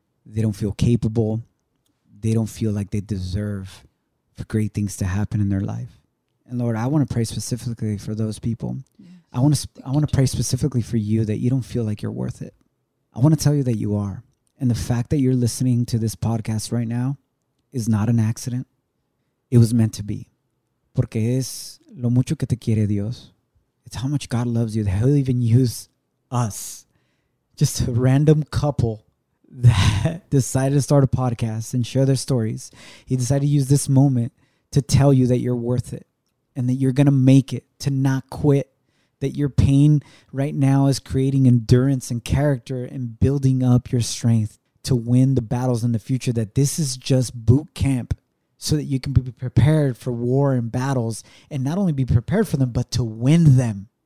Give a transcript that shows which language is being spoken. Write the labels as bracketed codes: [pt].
[en] They don't feel capable. They don't feel like they deserve for great things to happen in their life. And Lord, I want to pray specifically for those people. Yes. I want to pray specifically for you that you don't feel like you're worth it. I want to tell you that you are. And the fact that you're listening to this podcast right now is not an accident. It was meant to be. [es] Porque es lo mucho que te quiere Dios. [en] It's how much God loves you that he'll even use us, just a random couple that decided to start a podcast and share their stories. He decided to use this moment to tell you that you're worth it and that you're going to make it, to not quit, that your pain right now is creating endurance and character and building up your strength to win the battles in the future, that this is just boot camp so that you can be prepared for war and battles, and not only be prepared for them, but to win them.